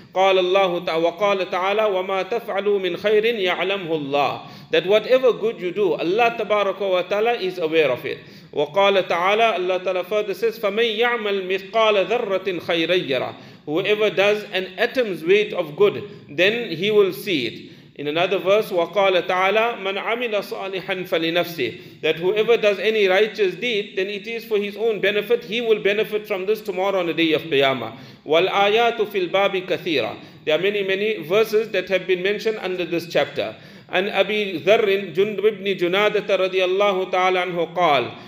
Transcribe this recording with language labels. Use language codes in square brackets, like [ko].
[ar] Qala Allah Ta'ala, wa ma taf'alu min khayrin ya'lamhu Allah. [en] That whatever good you do, Allah Tabaraka wa Ta'ala is aware of it. [ar] Wa qala Ta'ala, [en] Allah Ta'ala further says, [ar] fa man ya'mal mithqala dharratin khayran yara. [en] Whoever does an atom's weight of good, then he will see it. In another verse, [ar] وَقَالَ تَعَالَى مَنْ عَمِلَ صَالِحًا فَلِنَفْسِهِ. [en] That whoever does any righteous deed, then it is for his own benefit. He will benefit from this tomorrow on the day of Qiyamah. [ar] وَالْآيَاتُ فِي الْبَابِ كَثِيرًا. [en] There are many verses that have been mentioned under this chapter. And Abi Dharrin, Jundub ibn Junadata radiallahu ta'ala anhu qal.